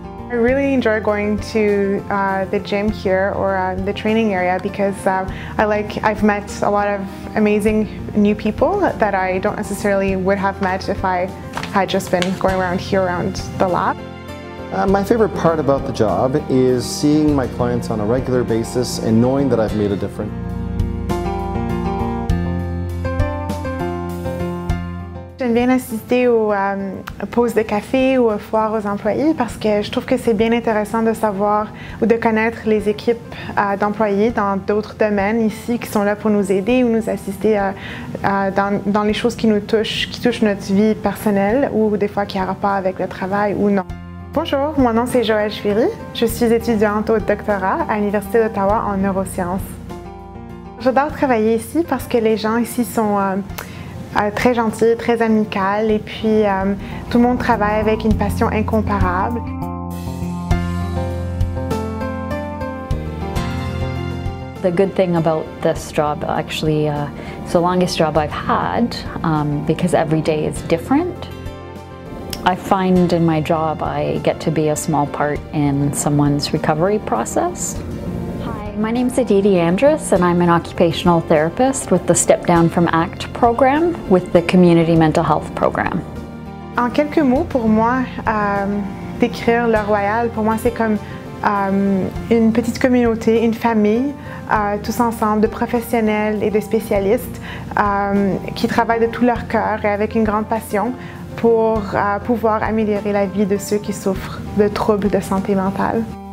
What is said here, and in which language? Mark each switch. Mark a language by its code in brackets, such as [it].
[en] I really enjoy going to the gym here or the training area because I've met a lot of amazing new people that I don't necessarily would have met if I had just been going around here around the lab. My favorite part about the job is seeing my clients on a regular basis and knowing that I've made a difference. [fr] J'aime bien assister aux pauses de café ou aux foires aux employés parce que je trouve que c'est bien intéressant de savoir ou de connaître les équipes d'employés dans d'autres domaines ici qui sont là pour nous aider ou nous assister dans les choses qui nous touchent, qui touchent notre vie personnelle ou des fois qui a rapport avec le travail ou non. Bonjour, mon nom c'est Joëlle Chvéry, je suis étudiante au doctorat à l'Université d'Ottawa en neurosciences. J'adore travailler ici parce que les gens ici sont très gentil, très amical, et puis tout le monde travaille avec une passion incomparable. [en] The good thing about this job, actually, it's the longest job I've had because every day is different. I find in my job I get to be a small part in someone's recovery process. My name is Aditi Andrus and I'm an occupational therapist with the Step Down from ACT program with the Community Mental Health program. [fr] En quelques mots, pour moi, décrire le Royal, pour moi, c'est comme une petite communauté, une famille, tous ensemble de professionnels et de spécialistes qui travaillent de tout leur cœur et avec une grande passion pour pouvoir améliorer la vie de ceux qui souffrent de troubles de santé mentale.